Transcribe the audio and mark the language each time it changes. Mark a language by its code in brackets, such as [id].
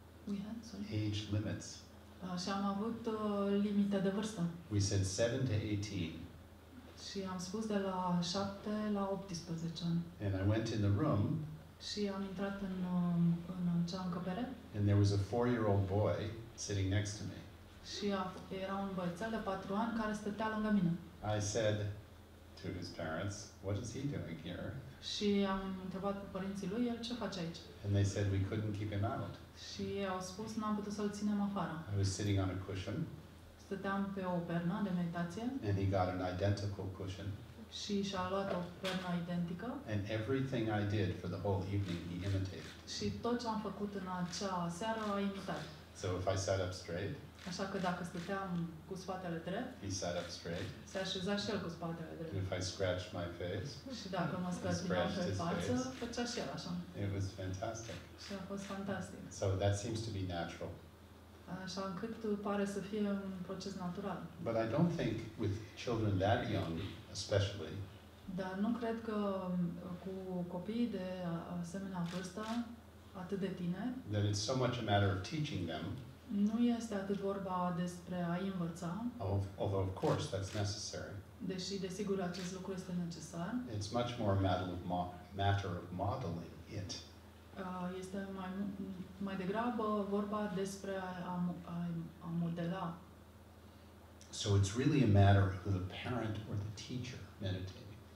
[en] We had, sorry. Age limits. [ro] Și am avut limite de vârstă. [en] We said 7 to 18. [ro] Și am spus de la 7 la 18 ani. [en] And I went in the room. [ro] Și am intrat în cea încăpere. [en] And there was a 4-year-old boy sitting next to me. [ro] Și era un băiețel de 4 ani care stătea lângă mine. [en] I said to his parents, what is he doing here? [ro] Și am întrebat pe părinții lui, el ce face aici? [en] And they said we couldn't keep him out. [ro] Și au spus, n-am putut să-l ținem afară. [en] I was sitting on a cushion. [ro] Stăteam pe o pernă de meditație. [en] And he got an identical cushion. [ro] Și și-a luat o pernă identică. [en] And everything I did for the whole evening he imitated. [ro] Și tot ce am făcut în acea seară a imitat. [en] So if I sat up straight. [ro] Așa că dacă stăteam cu spatele drept. [en] He sat up straight. [ro] Se așeza și el cu spatele drept. [en] And if I scratched my face. [ro] Și dacă mă scratchiam pe față, făcea și el așa. [en] It was fantastic. [ro] Și a fost fantastic. [en] So that seems to be natural. [ro] Așa încât pare să fie un proces natural. [en] But I don't think with children that young, especially. [ro] Dar nu cred că cu copii de asemenea vârstă, atât de tine. [en] That it's so much a matter of teaching them. [ro] Nu este atât vorba despre a învăța. [en] Although of course that's necessary. [ro] Deși desigur acest lucru este necesar. [en] It's much more a matter of modeling it. [ro] Este mai degrabă vorba despre a modela. [en] So it's really a matter of who the parent or the teacher meditating.